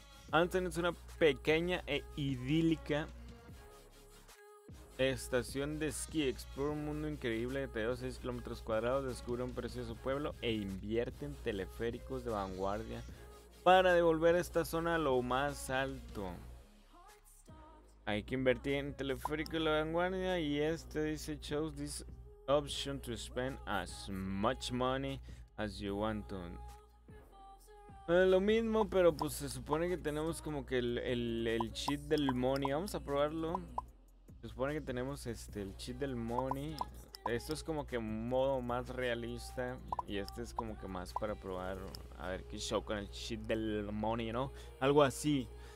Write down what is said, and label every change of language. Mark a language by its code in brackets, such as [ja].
[es] Holstein es una pequeña e idílica estación de esquí. Explora un mundo increíble de 6 kilómetros cuadrados. Descubre un precioso pueblo e invierte en teleféricos de vanguardia para devolver esta zona a lo más alto. Hay que invertir en teleférico de la vanguardia. Y este dice: [en] chose this option to spend as much money as you want to. [es] Lo mismo, pero pues se supone que tenemos como que el cheat del money. Vamos a probarlo. Se supone que tenemos el cheat del money. Esto es como que modo más realista. Y este es como que más para probar. A ver qué show con el cheat del money, ¿no? Algo así.